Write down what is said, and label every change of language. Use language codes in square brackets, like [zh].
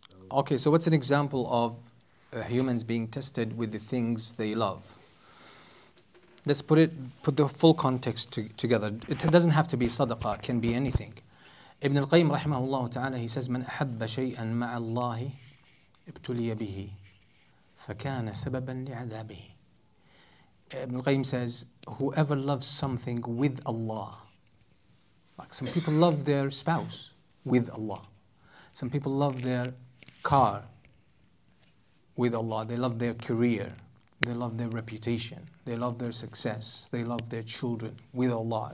[en] Okay, so what's an example of humans being tested with the things they love? Let's put the full context together. It doesn't have to be sadaqah, it can be anything. [ar] Ibn al-Qayyim rahimahullah ta'ala, [en] he says, [ar] مَنْ أَحَبَّ شَيْئًا مَعَ اللَّهِ ابْتُلِيَ بِهِ فَكَانَ سَبَبًا لِعَذَابِهِ. [en] Ibn al-Qayyim says, whoever loves something with Allah, like some people love their spouse with Allah, some people love their car with Allah, they love their career, they love their reputation, they love their success, they love their children with Allah.